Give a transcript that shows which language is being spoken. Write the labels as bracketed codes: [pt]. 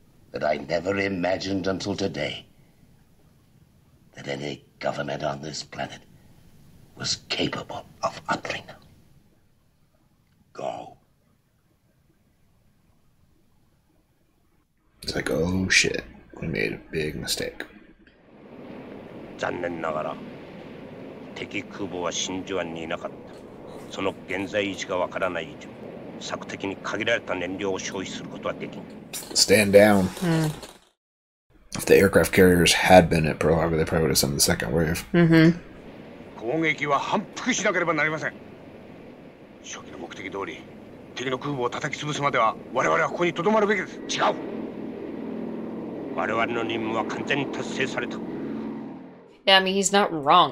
[en] But I never imagined until today that any government on this planet was capable of uttering. Go. It's like, oh shit, we made a big mistake. [ja] 残念ながら 敵空母は真珠湾にいなかった。その現在位置がわからない以上 索敵に限られた燃料を消費することはできない。 [en] Stand down. Mm. If the aircraft carriers had been at Pearl Harbor, they probably would have sent the second wave. Yeah, I mean, he's not wrong.